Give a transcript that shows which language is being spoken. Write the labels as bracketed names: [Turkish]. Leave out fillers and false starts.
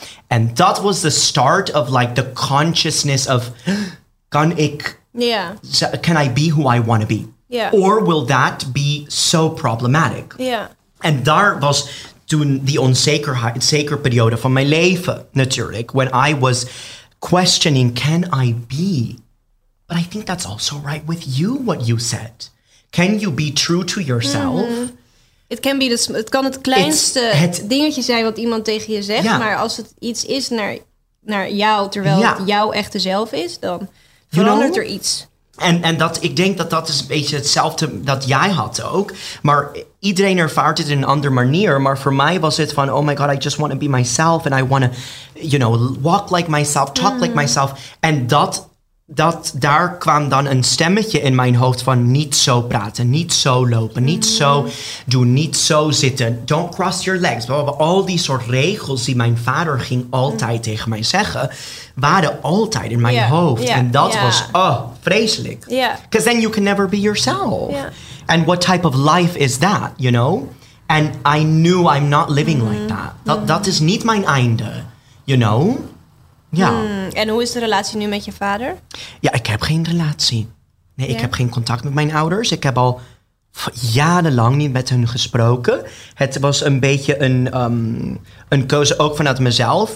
[English] And that was the start of like the consciousness of, [Dutch] kan ik, [English] can I be who I want to be? Yeah. Or will that be so problematic? Yeah. [Dutch] En daar was toen die onzeker periode van mijn leven natuurlijk. [English] When I was questioning, can I be? But I think that's also right with you, what you said. Can you be true to yourself? Mm-hmm. [Dutch] Het kan het kleinste dingetje zijn wat iemand tegen je zegt. Yeah. Maar als het iets is naar jou, terwijl yeah. het jouw echte zelf is, dan verandert er iets. En dat, ik denk dat dat is een beetje hetzelfde dat jij had ook. Maar iedereen ervaart het in een andere manier. Maar voor mij was het van, oh my god, [English] I just want to be myself. And I want to, you know, walk like myself, talk like myself. [Dutch] En dat daar kwam dan een stemmetje in mijn hoofd van, niet zo praten, niet zo lopen, niet zo doen, niet zo zitten. [English] Don't cross your legs. [Dutch] Al die soort regels die mijn vader ging altijd tegen mij zeggen, waren altijd in mijn hoofd. Yeah, en dat was, oh, vreselijk. [English] Because then you can never be yourself. And what type of life is that, you know? And I knew I'm not living like that. [Dutch] Dat is niet mijn einde, you know? Ja. En hoe is de relatie nu met je vader? Ja, ik heb geen relatie. Nee, ik heb geen contact met mijn ouders. Ik heb al jarenlang niet met hen gesproken. Het was een beetje een keuze ook vanuit mezelf.